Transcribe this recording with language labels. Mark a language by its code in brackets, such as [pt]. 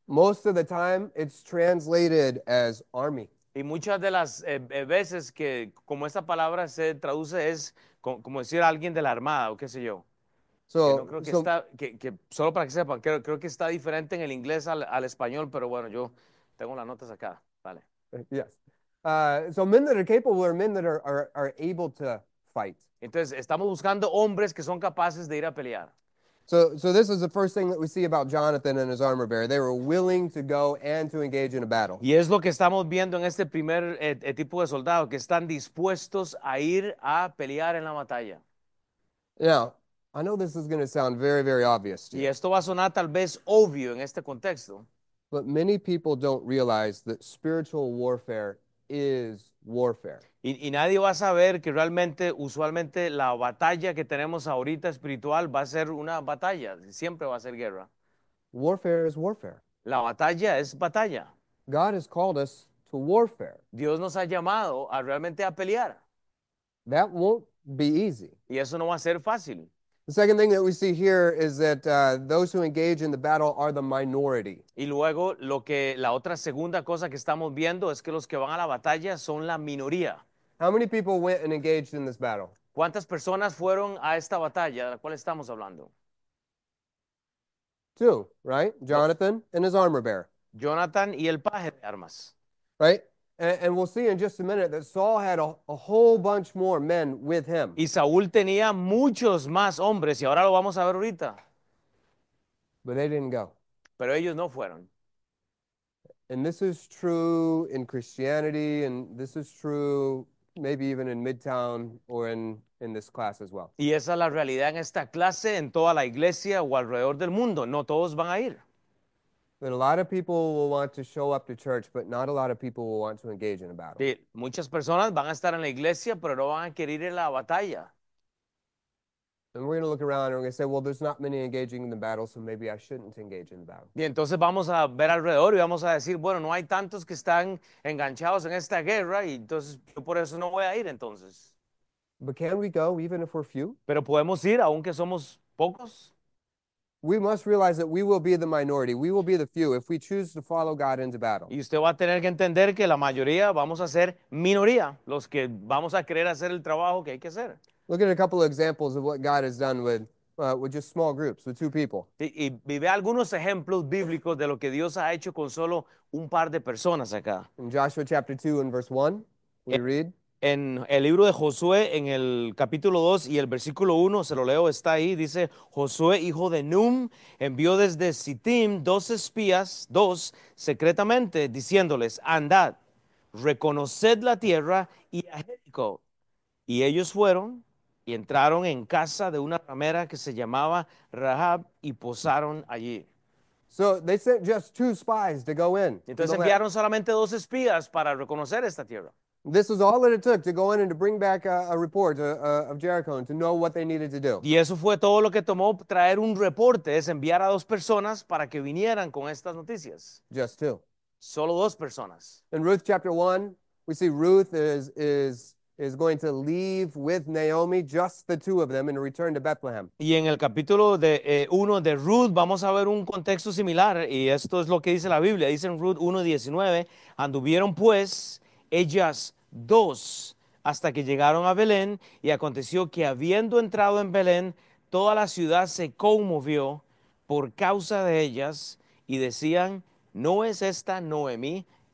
[en] Most of the time, it's translated as army. [es] Y muchas de las veces que como esta palabra se traduce es como decir a alguien de la armada o qué sé yo. Que no creo que está, que solo para que sepan, creo que está diferente en el inglés al español, pero bueno, yo tengo las notas acá. Vale. [en] Yes. So men that are capable are men that are able to fight. [es] Entonces, estamos buscando hombres que son capaces de ir a pelear. [en] So this is the first thing that we see about Jonathan and his armor bearer. They were willing to go and to engage in a battle. [es] Y es lo que estamos viendo en este primer tipo de soldados, que están dispuestos a ir a pelear en la batalla. [en] Now, I know this is going to sound very, very obvious to [es] Y [en] you. [es] esto va a sonar tal vez obvio en este contexto. [en] But many people don't realize that spiritual warfare is warfare. [es] Y nadie va a saber que realmente, usualmente, la batalla que tenemos ahorita espiritual va a ser una batalla. Siempre va a ser guerra. [en] Warfare is warfare. [es] La batalla es batalla. [en] God has called us to warfare. [es] Dios nos ha llamado a realmente a pelear. [en] That won't be easy. [es] Y eso no va a ser fácil. [en] The second thing that we see here is that those who engage in the battle are the minority. [es] Y luego, lo que la otra segunda cosa que estamos viendo es que los que van a la batalla son la minoría. [en] How many people went and engaged in this battle? [es] ¿Cuántas personas fueron a esta batalla de la cual estamos hablando? [en] Two, right? Jonathan and his armor bearer. [es] Jonathan y el paje de armas. [en] Right? And we'll see in just a minute that Saul had a whole bunch more men with him. [es] Y Saúl tenía muchos más hombres, y ahora lo vamos a ver ahorita. [en] But they didn't go. [es] Pero ellos no fueron. [en] And this is true in Christianity, and this is true maybe even in Midtown or in this class as well. [es] Y esa es la realidad en esta clase, en toda la iglesia o alrededor del mundo. No todos van a ir. [en] But a lot of people will want to show up to church, but not a lot of people will want to engage in a battle. [es] Sí, muchas personas van a estar en la iglesia, pero no van a querer ir a la batalla. [en] And we're going to look around and we're going to say, well, there's not many engaging in the battle, so maybe I shouldn't engage in the battle. [es] Y entonces vamos a ver alrededor y vamos a decir, bueno, no hay tantos que están enganchados en esta guerra y entonces yo por eso no voy a ir entonces. [en] But can we go even if we're few? [es] Pero podemos ir aunque somos pocos. [en] We must realize that we will be the minority. We will be the few if we choose to follow God into battle. [es] Y usted va a tener que entender que la mayoría vamos a ser minoría, los que vamos a querer hacer el trabajo que hay que hacer. [en] Look at a couple of examples of what God has done with just small groups, with two people. [es] Y vive algunos ejemplos bíblicos de lo que Dios ha hecho con solo un par de personas acá. [en] In Joshua chapter 2 and verse 1, we read. [es] En el libro de Josué, en el capítulo 2 y el versículo 1, se lo leo, está ahí, dice, Josué, hijo de Nun, envió desde Sittim dos espías, dos, secretamente, diciéndoles, andad, reconoced la tierra y a Jericó. Y ellos fueron y entraron en casa de una ramera que se llamaba Rahab y posaron allí. [en] So they sent just two spies to go in. [es] Entonces enviaron solamente dos espías para reconocer esta tierra. [en] This is all that it took to go in and to bring back a report of Jericho and to know what they needed to do. [es] Y eso fue todo lo que tomó traer un reporte, es enviar a dos personas para que vinieran con estas noticias. [en] Just two. [es] Solo dos personas. [en] In Ruth chapter 1, we see Ruth is going to leave with Naomi, just the two of them, and return to Bethlehem. [es] Y en el capítulo de 1 de Ruth vamos a ver un contexto similar, y esto es lo que dice la Biblia. Dice en Ruth 1:19, anduvieron pues ellas dos hasta que llegaron a Belén, y aconteció que habiendo entrado en Belén, toda la ciudad se conmovió por causa de ellas, y decían, no es esta Noemí.